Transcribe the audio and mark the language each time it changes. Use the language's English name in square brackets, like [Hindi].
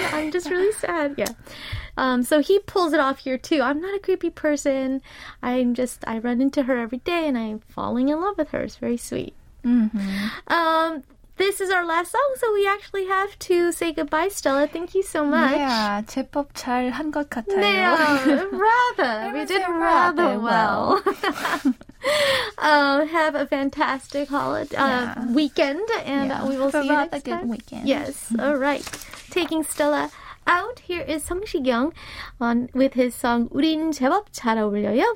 [English] I'm just really sad. Yeah. So he pulls it off here too. I'm not a creepy person. I run into her every day and I'm falling in love with her. It's very sweet. Mm-hmm. This is our last song, so we actually have to say goodbye, Stella. Thank you so much. [Korean] Yeah, 제법 잘 한 것 같아요. [English] 네, rather. We did rather well. have a fantastic holiday weekend, and yeah. We will for see you next time. A good weekend. Yes, mm-hmm. All right. Taking Stella out, here is Song Si-kyung with his song, [Korean] 우린 제법 잘 어울려요.